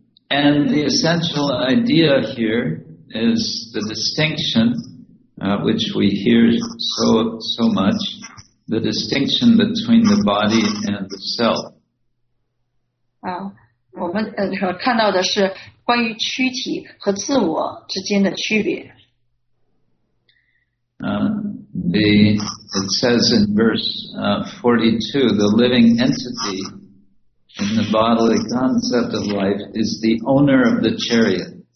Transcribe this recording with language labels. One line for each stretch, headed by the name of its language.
English: And the essential idea here is the distinction, which we hear so much, the distinction between the body and the self.
Chinese: 我们看到的是关于躯体和自我之间的区别。
English: It says in verse 42, the living entity in the bodily concept of life is the owner of the chariot.